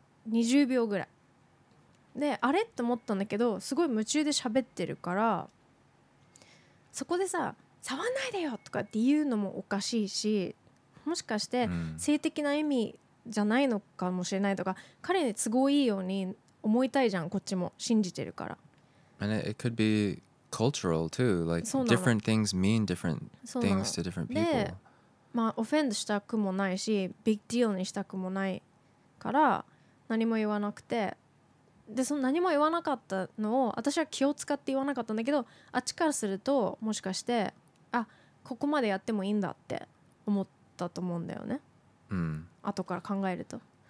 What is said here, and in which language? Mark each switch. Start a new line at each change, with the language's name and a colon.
Japanese: 20秒ぐらいで、あれって思ったんだけど、すごい夢中で喋ってるからそこでさ触んないでよとかって言うのもおかしいし、もしかして性的な意味じゃないのかもしれないとか、彼に都合いいように思いたいじゃん、こっちも信じてるから。
English: And it could be cultural too, like different things mean different things to different people.
Japanese: でまあ、オフェンドしたくもないしビッグディールにしたくもないから何も言わなくて、でその何も言わなかったのを私は気を使って言わなかったんだけど、あっちからするともしかしてあここまでやってもいいんだって思ったと思うんだよね、後から考えると。